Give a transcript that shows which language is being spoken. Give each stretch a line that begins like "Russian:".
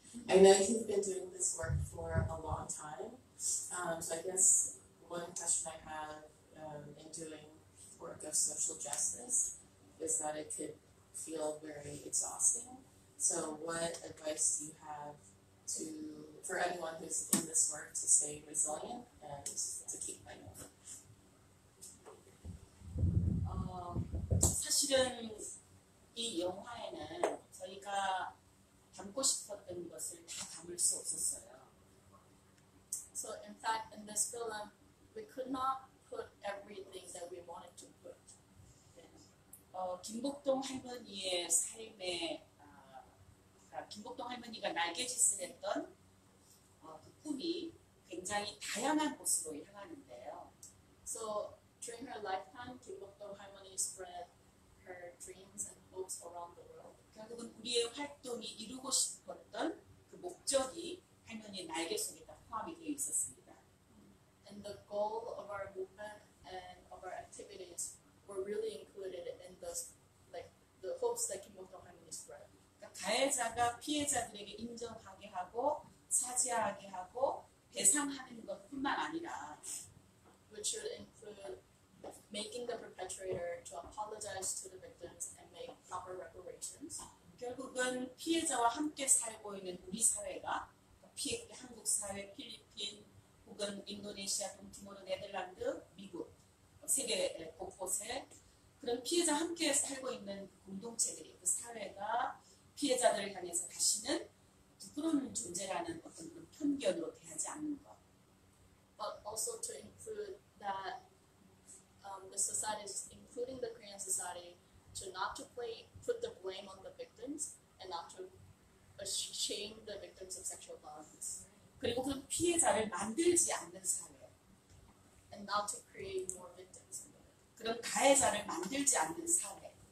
English: I know you've been doing this work for a long time. So I guess one question I have in doing work of social justice is that it could feel very exhausting. So what advice do you have for anyone who's in this work to stay resilient and to keep going?
Korean: 사실은 이 영화에는 저희가 담고 싶었던 것을 다 담을 수 없었어요.
English: So in fact, in this film, we could not put everything that we wanted to put.
Korean: 김복동 할머니의 삶에 김복동 할머니가 날개짓을 했던 그 꿈이 굉장히 다양한 곳으로 향하는데요.
English: So during her lifetime, 김복동 할머니 spread her dreams and hopes around the world.
Korean: 결국은 우리의 활동이 이루고 싶었던 그 목적이 할머니의 날개 속에 다 포함이 되어 있었습니다.
English: And the goal of our movement and of our activities were really included in those like the hopes that 김복동 할머니 spread.
Korean: 가해자가 피해자들에게 인정하게 하고 사죄하게 하고 배상하는 것뿐만 아니라
English: which would include making the perpetrator to apologize to the victims and make proper reparations.
Korean: 결국은 피해자와 함께 살고 있는 우리 사회가 피해 한국 사회, 필리핀 혹은 인도네시아, 동티모르, 네덜란드, 미국 세계 곳곳에 그런 피해자 함께 살고 있는 공동체들이 그 사회가 피해자들을 향해서 다시는 부끄러운 존재라는 어떤 그런 편견으로 대하지 않는 것.
English: But also to include that the society, including the Korean society, to not to put the blame on the victims and not to shame the victims of sexual violence.
Korean: 그리고 그 피해자를 만들지 않는 사회.
English: And not to create more victims.
Korean: 그런 가해자를 만들지 않는 사회.